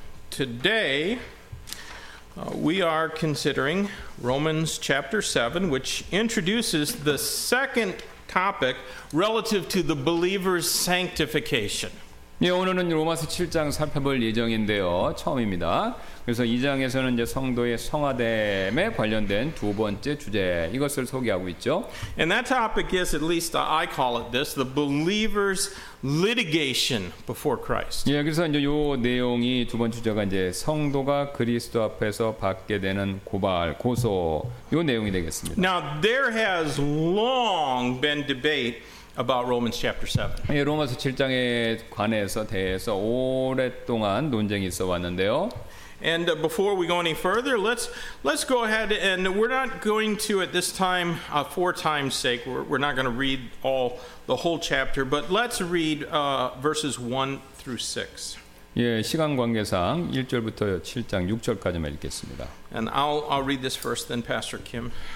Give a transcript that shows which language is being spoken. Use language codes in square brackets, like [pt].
[en] Today, we are considering Romans chapter 7, which introduces the second topic relative to the believer's sanctification. [ko] 예, 오늘은 로마서 7장 살펴볼 예정인데요. 처음입니다. 그래서 2장에서는 이제 성도의 성화됨에 관련된 두 번째 주제 이것을 소개하고 있죠. [en] And that topic is, at least I call it this, the believer's litigation before Christ. [ko] 예, 그래서 이제 요 내용이 두 번째 주제가 이제 성도가 그리스도 앞에서 받게 되는 고발, 고소 요 내용이 되겠습니다. [en] Now there has long been debate about Romans chapter 7. [ko] 예, 로마서 7장에 관해서 대해서 오랫동안 논쟁이 있어 왔는데요. [en] And before we go any further, let's go ahead and we're not going to at this time for time's sake. We're not going to read all the whole chapter, but let's read verses 1 through 6. [ko] 예, 시간 관계상 1절부터 7장 6절까지만 읽겠습니다. [en] And I'll read this first then Pastor Kim.